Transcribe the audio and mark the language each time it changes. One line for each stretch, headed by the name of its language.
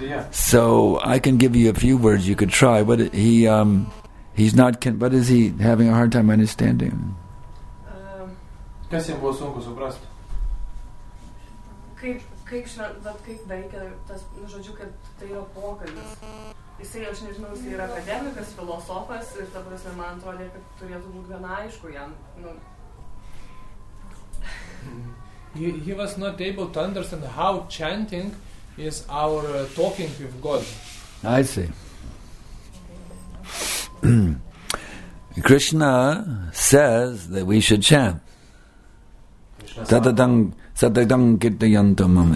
English: So I can give you a few words you could try. What he's not. What is he having a hard time understanding?
Lithuanian: Kas jam buvo sunku suprast? Kaip šra, bet kaip veikia tas, nu, žodžiu, kad tai yra pokalbis. Jisai, aš nežinau, jisai yra akademikas, filosofas, ir ta prasme, man atrodo, kad turėtų būti gana aišku jam. Nu.
English: He was not able to understand how chanting is our talking with God. I see. Krishna says that we should chant.
Sanskrit: Satadang kirtayantamam.